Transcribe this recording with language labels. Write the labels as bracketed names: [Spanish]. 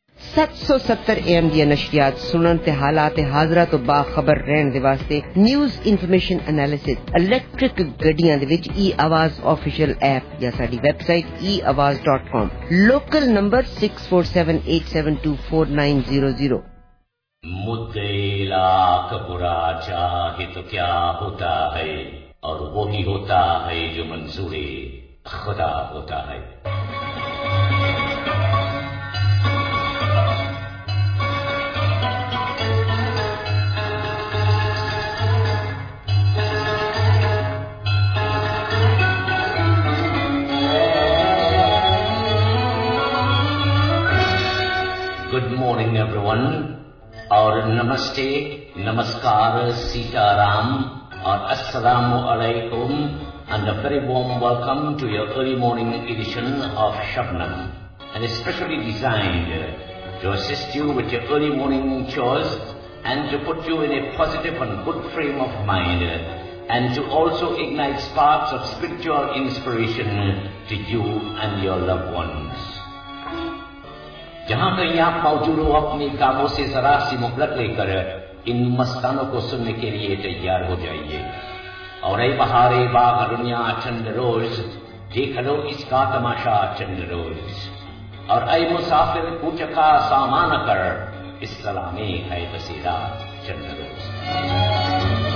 [Punjabi] 770 AMD نشریات سنن تے حالات حاضرہ تو باخبر رہن دے واسطے نیوز انفارمیشن انالیسس الیکٹرک گڈیاں دے وچ ای آواز آفیشیل ایپ یا ساڈی web site eawaz.com local number 6478724900 [Urdu] مدعی لاکھ برا چاہے تو کیا ہوتا ہے اور وہی ہوتا ہے جو منظور خدا ہوتا ہے. [English] Morning everyone, aur namaste, namaskar, sitaram, aur assalamu alaikum, and a very warm welcome to your early morning edition of Shabnam, and especially designed to assist you with your early morning chores and to put you in a positive and good frame of mind and to also ignite sparks of spiritual inspiration to you and your loved ones. [Urdu] جہاں کہیں آپ موجود ہو اپنی کاموں سے ذرا سی مہلت لے کر ان مستانوں کو سننے کے لیے تیار ہو جائیے. اور اے بہار اے باغ دنیا چند روز دیکھ لو اس کا تماشا چند روز. اور اے مسافر کوچ کا سامان کر اس سلامی ہے بسیرا چند روز.